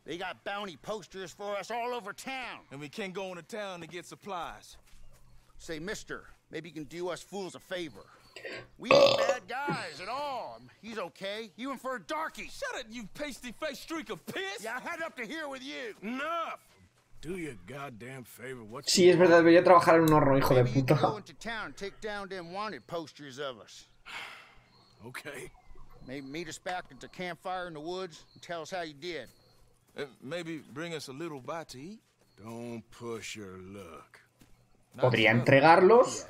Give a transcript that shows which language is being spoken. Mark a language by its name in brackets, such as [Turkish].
[English] They got bounty posters for us all over town. And we can't go into town to get supplies. Say, mister, maybe you can do us fools a favor. We ain't bad guys at all. He's okay. You infer Darky. Shut it, you pasty-faced streak of piss. Yeah, I had up to here with you. Enough. Do your goddamn favor. What's [Spanish] sí, es verdad, debería trabajar en un horno, hijo de puta. [English] Maybe you go into town and take down them wanted posters of us. Okay. Maybe meet us back at the campfire in the woods and tell us how you did. Maybe bring us a little bite to eat. Don't push your luck. [Spanish] ¿Podría entregarlos?